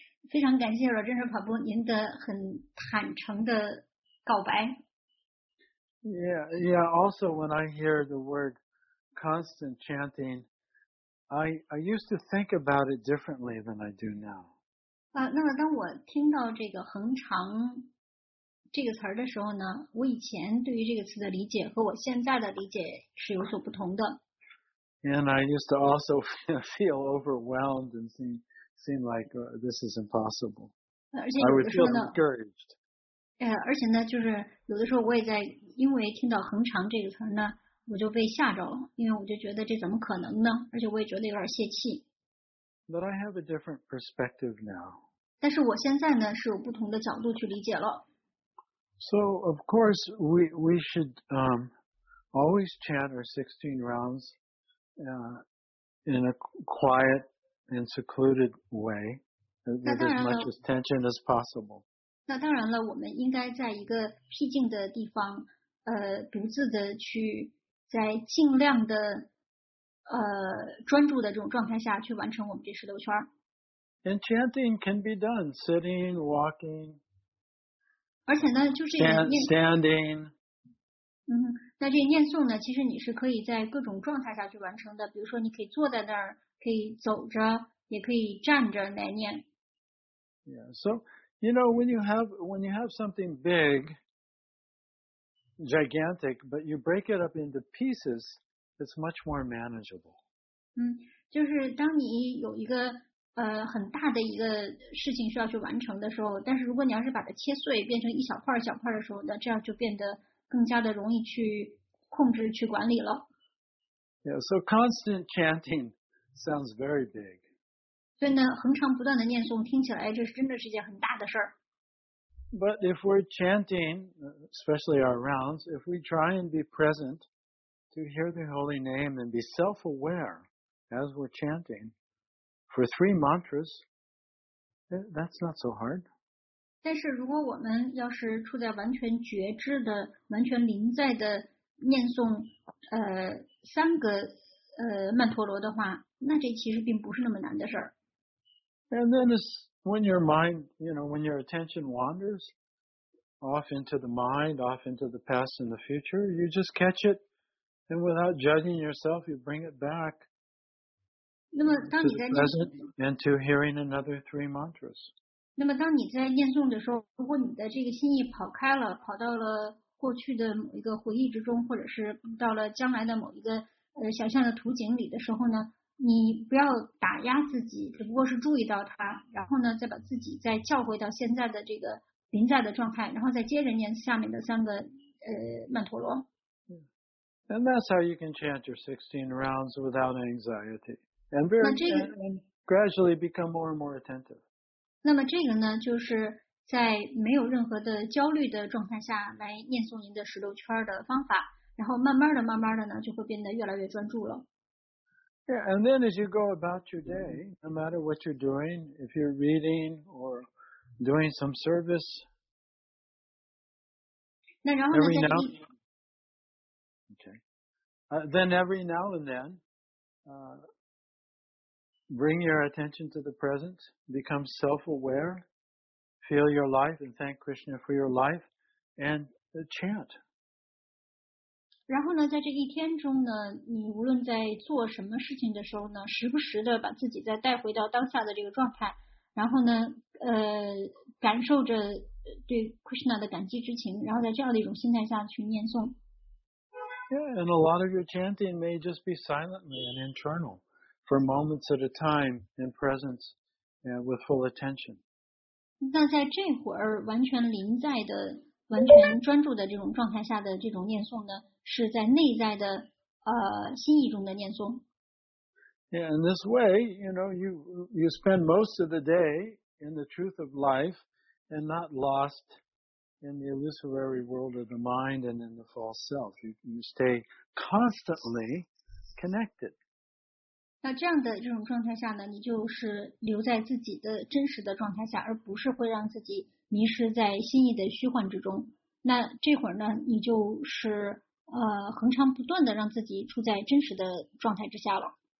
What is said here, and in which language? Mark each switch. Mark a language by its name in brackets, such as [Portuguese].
[Chinese] 非常感谢 Rajendra Prabhu 您的很坦诚的告白。 [English] Yeah. Also, when I hear the word constant chanting, I used to think about it differently than I do now. [Chinese] 那么当我听到这个恒常这个词儿的时候呢，我以前对于这个词的理解和我现在的理解是有所不同的。 [English] And I used to also feel overwhelmed and seem like this is impossible. [Chinese] 而且有的时候呢。 [English] I would feel discouraged. [Chinese] 而且呢，就是有的时候我也在因为听到恒常这个词呢，我就被吓着了，因为我就觉得这怎么可能呢？而且我也觉得有点泄气。 [English] But I have a different perspective now. [Chinese] 但是我现在呢，是有不同的角度去理解了。 [English] So of course we should always chant our 16 rounds in a quiet and secluded way with as much attention as possible. [Chinese] 那当然了，我们应该在一个僻静的地方，独自的去在尽量的专注的这种状态下去完成我们这十六圈。 [English] And chanting can be done sitting, walking. [Chinese] 而且呢，就是 [English] standing. [Chinese] 嗯，那这个念诵呢，其实你是可以在各种状态下去完成的。比如说，你可以坐在那儿，可以走着，也可以站着来念。 [English] Yeah. So you know when you have something big, gigantic, but you break it up into pieces. It's much more manageable. [Chinese] 就是当你有一个很大的一个事情需要去完成的时候，但是如果你要是把它切碎变成一小块一小块的时候，那这样就变得更加的容易去控制去管理了。 [English] Yeah, so constant chanting sounds very big. [Chinese] 所以呢，恒常不断的念诵听起来这是真的是一件很大的事儿。 [English] But if we're chanting, especially our rounds, if we try and be present. To hear the holy name and be self-aware as we're chanting for three mantras, that's not so hard. [Chinese] 但是如果我们要是处在完全觉知的、完全临在的念诵三个曼陀罗的话，那这其实并不是那么难的事儿。 [English] And then it's when your mind, you know, when your attention wanders off into the mind, off into the past and the future, you just catch it. And without judging yourself, you bring it back to the present and to hearing another three mantras. [Chinese] 那么当你在念诵的时候，如果你的这个心意跑开了，跑到了过去的某一个回忆之中，或者是到了将来的某一个想象的图景里的时候呢，你不要打压自己，只不过是注意到它，然后呢，再把自己再叫回到现在的这个临在的状态，然后再接着念下面的三个曼陀罗。 [English] And that's how you can chant your 16 rounds without anxiety. And gradually become more and more attentive. [Chinese] 那么这个呢，就是在没有任何的焦虑的状态下来念诵您的十六圈的方法，然后慢慢的、慢慢的呢，就会变得越来越专注了。 [English] Yeah, and then as you go about your day, no matter what you're doing, if you're reading or doing some service, [Chinese] 那然后呢，在你 [English] Okay. Then every now and then, bring your attention to the present, become self-aware, feel your life, and thank Krishna for your life, and chant. [Chinese] 然后呢，在这一天中呢，你无论在做什么事情的时候呢，时不时的把自己再带回到当下的这个状态，然后呢，感受着对 Krishna 的感激之情，然后在这样的一种心态下去念诵。 [English] Yeah, and a lot of your chanting may just be silently and internal for moments at a time in presence and with full attention. [Chinese] 那在这会儿完全临在的、完全专注的这种状态下的这种念诵呢，是在内在的心意中的念诵。 [English] Yeah, in this way, you know, you spend most of the day in the truth of life and not lost. In the illusory world of the mind and in the false self, you stay constantly connected. [Chinese] 那这样的这种状态下呢，你就是留在自己的真实的状态下，而不是会让自己迷失在心意的虚幻之中。那这会儿呢，你就是恒常不断的让自己处在真实的状态之下了。